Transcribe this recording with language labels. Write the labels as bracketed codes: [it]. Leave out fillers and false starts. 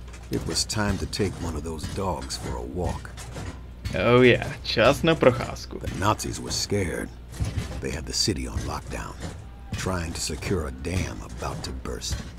[en] It was time to take one of those dogs for a walk. Oh yeah, [cs] čas na procházku. [en] The Nazis were scared. They had the city on lockdown, trying to secure a dam about to burst.